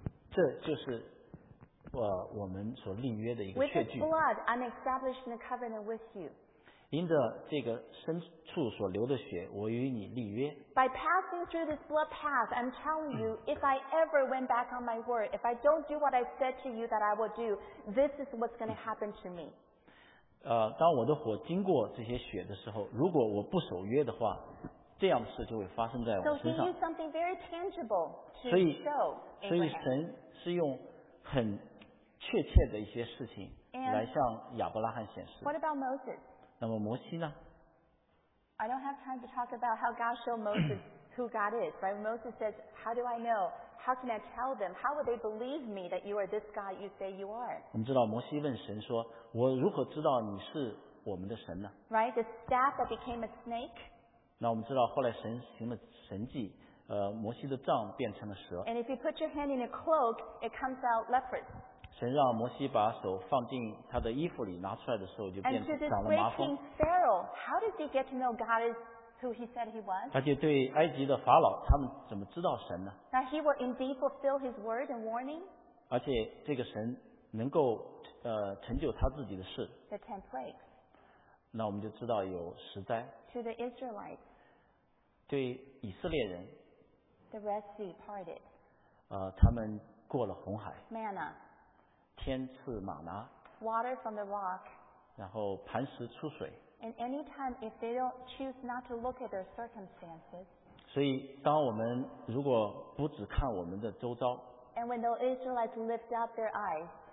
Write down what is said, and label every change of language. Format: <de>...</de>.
<zh>这就是我们所立约的一个确据。</zh> <en>With blood, I'm establishing a covenant with you.</en> <zh>因着这个牲畜所流的血，我与你立约。</zh> <en>By passing through this blood path, I'm telling you, if I ever went back on my word, if I don't do what I said to you that I will do, this is what's going to happen to me.</en> <zh>当我的火经过这些血的时候，如果我不守约的话，这样的事就会发生在我身上。</zh> <en>So he used something very tangible to show Abraham.</en> <zh>所以神是用很确切的一些事情来向亚伯拉罕显示。</zh> <en>What about Moses?</en> <zh>那么摩西呢？</zh> <en>I don't have time to talk about how God showed Moses who God is, right? Moses says, "How do I know? How can I tell them? How would they believe me that you are this God you say you are?"</en> <zh>我们知道摩西问神说：“我如何知道你是我们的神呢？”</zh> <en>Right, the staff that became a snake.</en> <zh>那我们知道后来神行了神迹，摩西的杖变成了蛇。</zh> <en>And if you put your hand in a cloak, it comes out leprous.</en> <zh>神让摩西把手放进他的衣服里，拿出来的时候就变长了麻风。</zh> <en>How did he get to know God is who he said he was?</en> <zh>而且对埃及的法老，他们怎么知道神呢？</zh> <en>That he will indeed fulfill his word and warning.</en> <zh>而且这个神能够成就他自己的事。</zh> <en>The ten plagues.</en> <zh>那我们就知道有十灾。</zh> <en>To the Israelites.</en> <zh>对以色列人</zh> <en>The Red Sea parted.</en> <zh>他们过了红海</zh> <en>Manna.</en> <zh>天赐玛拿</zh> <en>Water from the rock.</en> <zh>然后磐石出水</zh> <en>And any time if they don't choose not to look at their circumstances.</en> <zh>所以当我们如果不只看我们的周遭</zh> <en>And when the Israelites lift up their eyes.</en>